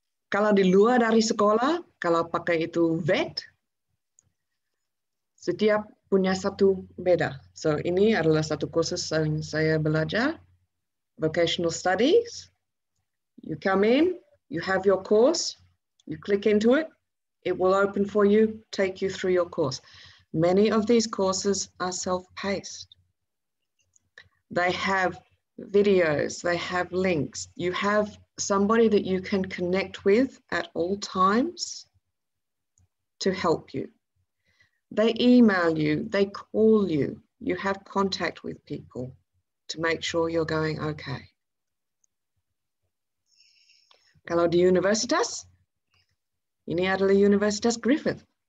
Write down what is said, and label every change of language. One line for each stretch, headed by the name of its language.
Indonesian: Kalau di luar dari sekolah, kalau pakai itu VET, setiap punya satu beda. So ini adalah satu kursus yang saya belajar, vocational studies.
English: You come in, you have your course, you click into it, it will open for you, take you through your course. Many of these courses are self-paced. They have videos, they have links. You have somebody that you can connect with at all times to help you. They email you, they call you. You have contact with people to make sure you're going okay.
Indonesian: Kalau di universitas, ini adalah Universitas Griffith.